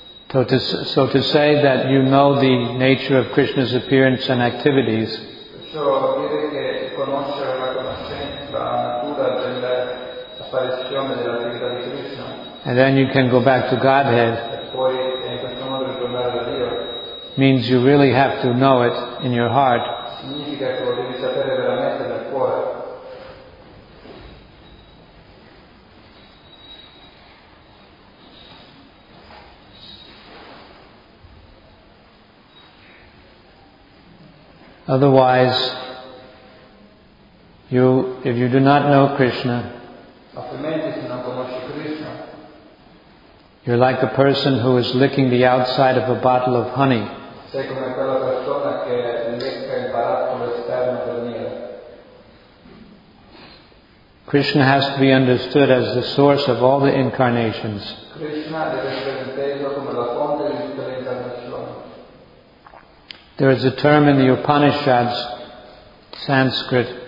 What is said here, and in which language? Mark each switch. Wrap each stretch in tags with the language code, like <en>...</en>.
<en>So to say that you know the nature of Krishna's appearance and activities.</en> <it>Perciò dire che conoscere la conoscenza, la natura dell'apparizione dell'attività di Krishna.</it> <en>And then you can go back to Godhead.</en> <it>Poi in questo modo ritornare da Dio.</it> <en>Means you really have to know it in your heart.</en> <it>Significa che lo devi sapere veramente dal cuore.</it> <en>Otherwise, if you do not know Krishna,</en> <it>altrimenti se non conosci Krishna,</it> <en>you're like a person who is licking the outside of a bottle of honey.</en> <it>Sei come quella persona che lecca il barattolo esterno del miele.</it> <en>Krishna has to be understood as the source of all the incarnations.</en> <it>Krishna deve essere inteso come la fonte di tutte le incarnazioni.</it> <en>There is a term in the Upanishads, Sanskrit,</en>